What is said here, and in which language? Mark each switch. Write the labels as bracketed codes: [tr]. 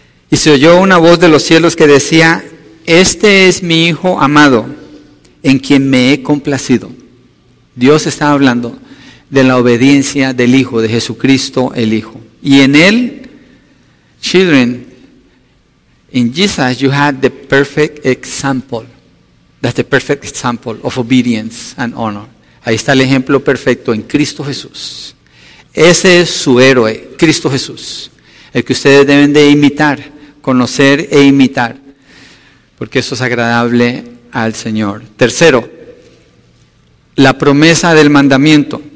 [es] Y se oyó una voz de los cielos que decía, este es mi Hijo amado, en quien me he complacido. Dios está hablando de la obediencia del Hijo, de Jesucristo el Hijo. Y en Él, [en] children, in Jesus you had the perfect example. That's the perfect example of obedience and honor. [es] Ahí está el ejemplo perfecto en Cristo Jesús. Ese es su héroe, Cristo Jesús. El que ustedes deben de imitar, conocer e imitar. Porque eso es agradable al Señor. Tercero, la promesa del mandamiento.